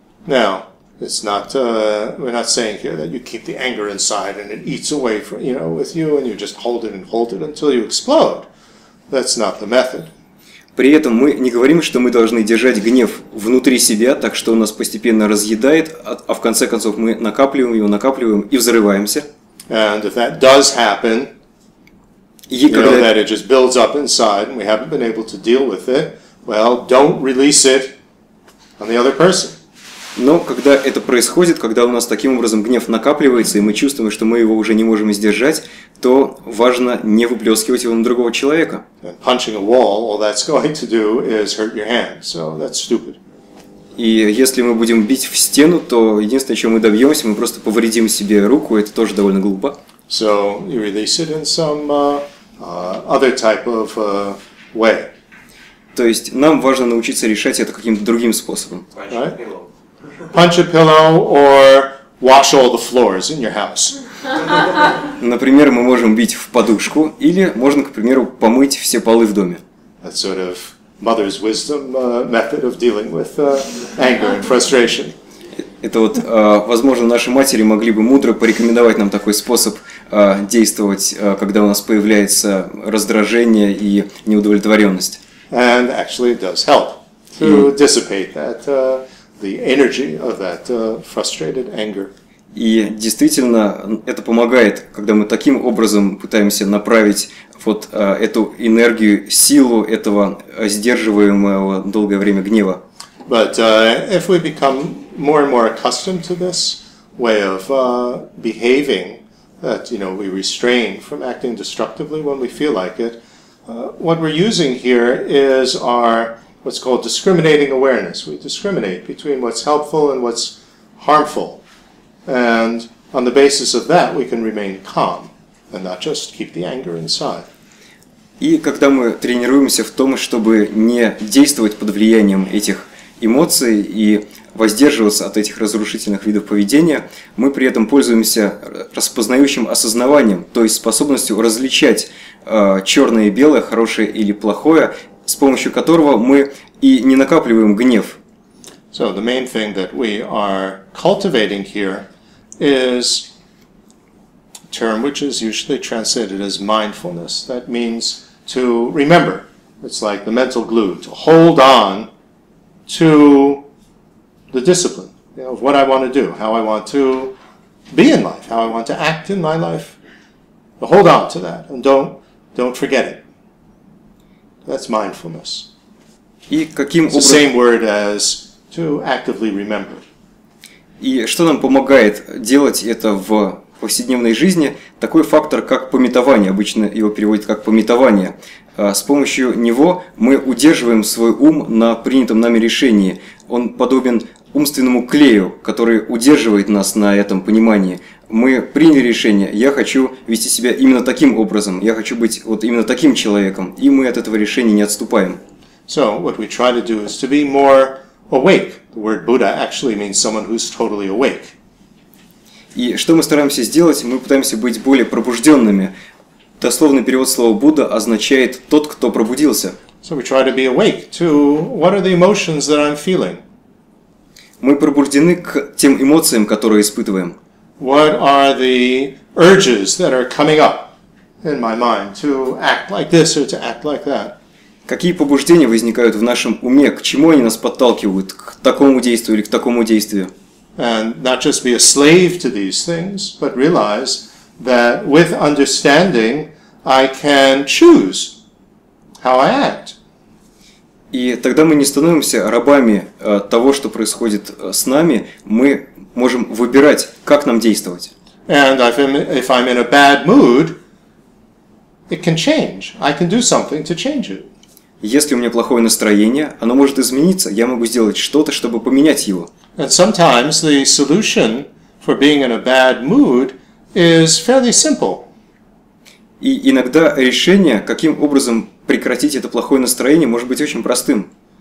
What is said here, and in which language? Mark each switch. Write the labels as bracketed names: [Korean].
[English] Now, it's not, we're not saying here that you keep the anger inside and it eats away from, you know, with you and you just hold it until you explode. That's not the method. [Russian] При этом мы не говорим, что мы должны держать гнев внутри себя, так что он нас постепенно разъедает, а в конце концов мы накапливаем его, накапливаем и взрываемся. [English] And if that does happen, you know, that it just builds up inside and we haven't been able to deal with it, well, don't release it on the other person. [Russian] Но когда это происходит, когда у нас таким образом гнев накапливается, и мы чувствуем, что мы его уже не можем сдержать, то важно не выплескивать его на другого человека. [English] Punching a wall, all that's going to do is hurt your hand, so that's stupid. [Russian] И если мы будем бить в стену, то единственное, чего мы добьемся, мы просто повредим себе руку, это тоже довольно глупо. [English] So you release it in some other type of way. [Russian] То есть нам важно научиться решать это каким-то другим способом. [English] Punch a pillow or wash all the floors in your house. [Russian] Например, мы можем бить в подушку или можно, к примеру, помыть все полы в доме. [English] That's sort of mother's wisdom method of dealing with anger and frustration. [Russian] Это вот, возможно, наши матери могли бы мудро порекомендовать нам такой способ действовать, когда у нас появляется раздражение и неудовлетворенность. [English] And actually it does help to dissipate that the energy of that frustrated anger. [Russian] И действительно, это помогает, когда мы таким образом пытаемся направить вот эту энергию, силу этого сдерживаемого долгое время гнева. [English] But if we become more and more accustomed to this way of behaving, that, you know, we restrain from acting destructively when we feel like it, what we're using here is our what's called discriminating awareness. We discriminate between what's helpful and what's harmful. And on the basis of that, we can remain calm and not just keep the anger inside. [Russian] И когда мы тренируемся в том, чтобы не действовать под влиянием этих эмоций и воздерживаться от этих разрушительных видов поведения, мы при этом пользуемся распознающим осознаванием, то есть способностью различать черное и белое, хорошее или плохое, с помощью которого мы и не накапливаем гнев. [English] So the main thing that we are cultivating here is a term which is usually translated as mindfulness. That means to remember. It's like the mental glue, to hold on to the discipline, you know, of what I want to do, how I want to be in life, how I want to act in my life. But hold on to that and don't forget it. That's mindfulness. It's the same word as to actively remember. [Russian] И что нам помогает делать это в повседневной жизни? Такой фактор, как памятование. Обычно его переводят как памятование. С помощью него мы удерживаем свой ум на принятом нами решении. Он подобен умственному клею, который удерживает нас на этом понимании. Мы приняли решение, я хочу вести себя именно таким образом, я хочу быть вот именно таким человеком, и мы от этого решения не отступаем. [English] So, what we try to do is to be more awake. The word Buddha actually means someone who's totally awake. [Russian] И что мы стараемся сделать? Мы пытаемся быть более пробужденными. Дословный перевод слова Будда означает «тот, кто пробудился». [English] So, we try to be awake to what are the emotions that I'm feeling. [Russian] Мы пробуждены к тем эмоциям, которые испытываем. [English] What are the urges that are coming up in my mind to act like this or to act like that? [Russian] Какие побуждения возникают в нашем уме? К чему они нас подталкивают? К такому действию или к такому действию? [English] And not just be a slave to these things, but realize that with understanding, I can choose how I act. [Russian] И тогда мы не становимся рабами того, что происходит с нами, мы можем выбирать, как нам действовать. [English] And if I'm in a bad mood, it can change. I can do something to change it. [Russian] Если у меня плохое настроение, оно может измениться, я могу сделать что-то, чтобы поменять его. [English] And sometimes the solution for being in a bad mood is fairly simple. [Russian] И иногда решение, каким образом прекратить это плохое настроение, может быть очень простым.